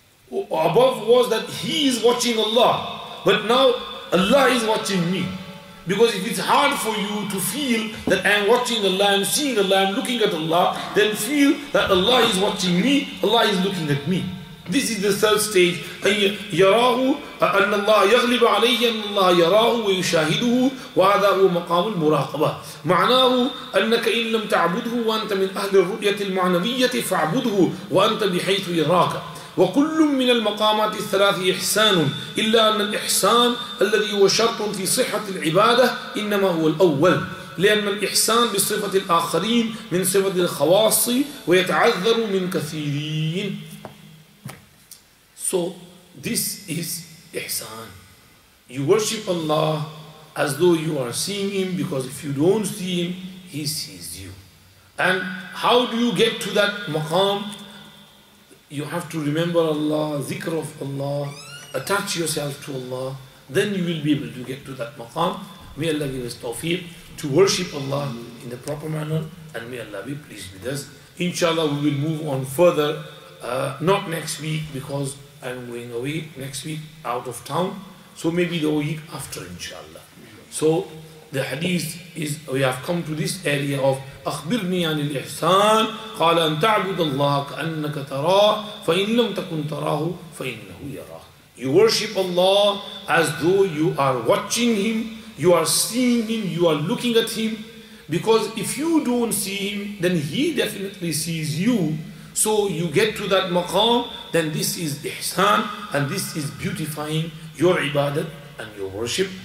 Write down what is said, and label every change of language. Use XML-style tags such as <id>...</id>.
<en>Above was that he is watching Allah, but now Allah is watching me. Because if it's hard for you to feel that I'm watching Allah, I'm seeing Allah, I'm looking at Allah, then feel that Allah is watching me, Allah is looking at me. This is the third stage.</en> <ar>يراه أن الله يغلب عليه أن الله يراه ويشاهده وهذا هو مقام المراقبة. معناه أنك إن لم تعبده وأنت من أهل الرؤية المعنوية فاعبده وأنت بحيث يراك. وكل من المقامات الثلاث إحسان إلا أن الإحسان الذي هو شرط في صحة العبادة إنما هو الأول، لأن الإحسان بصفة الآخرين من صفة الخواص ويتعذر من كثيرين.</ar> <en>So this is Ihsan. You worship Allah as though you are seeing Him, because if you don't see Him, He sees you. And how do you get to that maqam? You have to remember Allah, zikr of Allah, attach yourself to Allah, then you will be able to get to that maqam. May Allah give us tawfiq to worship Allah in the proper manner, and may Allah be pleased with us. Inshallah, we will move on further, not next week, because I'm going away next week out of town. So maybe the week after, inshallah. So the hadith is, we have come to this area of</en> <ar>أخبرني عن الإحسان قال أن تعبد الله كأنك تراه فإن لم تكن تراه فإنه يراه.</ar> <en>You worship Allah as though you are watching Him, you are seeing Him, you are looking at Him. Because if you don't see Him, then He definitely sees you. So you get to that maqam, then this is ihsan, and this is beautifying your ibadat and your worship.</en>